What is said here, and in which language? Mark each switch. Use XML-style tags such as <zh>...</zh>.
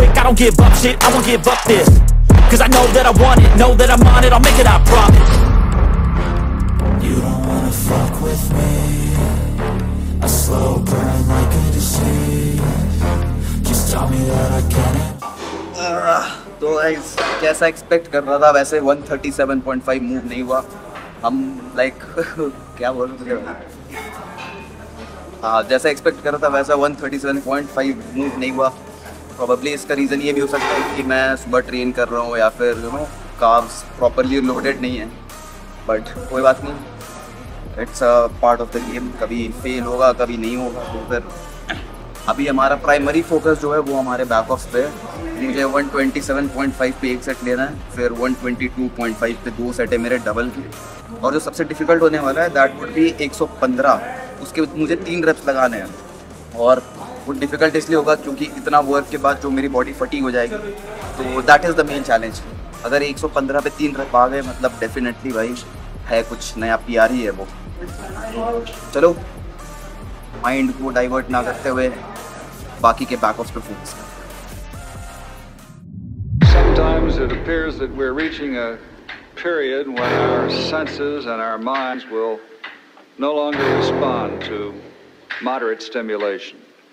<en>Give up shit, I won't give up this. Cause I know that I want it, know that I'm on it, I'll make it, I promise. You don't wanna fuck with me. A slow burn like a disease. Just tell me that I can it.</en> <hi>तो guys, जैसा expect कर रहा था वैसे 137.5 move नहीं हुआ। हम like क्या बोल रहे हैं? हाँ, जैसा expect कर रहा था वैसा 137.5 move नहीं हुआ। प्रॉबली इसका रीज़न ये भी हो सकता है कि मैं सुबह ट्रेन कर रहा हूँ या फिर कार्स प्रॉपरली लोडेड नहीं है, बट कोई बात नहीं,</hi> <en>it's a part of the game,</en> <hi>कभी फेल होगा कभी नहीं होगा, तो फिर अभी हमारा प्राइमरी फोकस जो है वो हमारे बैक ऑफ पे है। मुझे 127.5 पे एक सेट लेना है, फिर 122.5 पे दो सेट है मेरे डबल के, और जो सबसे डिफिकल्ट होने वाला है</hi> <en>that would be 115,</en> <hi>उसके मुझे 3 रेप्स लगाने हैं। और वो डिफिकल्ट इसलिए होगा क्योंकि इतना वर्क के बाद जो मेरी बॉडी फटी हो जाएगी, तो</hi> <en>That is the main challenge.</en> <hi>अगर 115 पे 3 रेप आ गए मतलब डेफिनेटली भाई है कुछ नया PR ही है वो। चलो माइंड को डाइवर्ट ना करते हुए बाकी के बैक ऑफ पे focus.</hi> <en>Sometimes it appears that we're reaching a period when our senses and our minds will no longer respond to moderate stimulation.</en>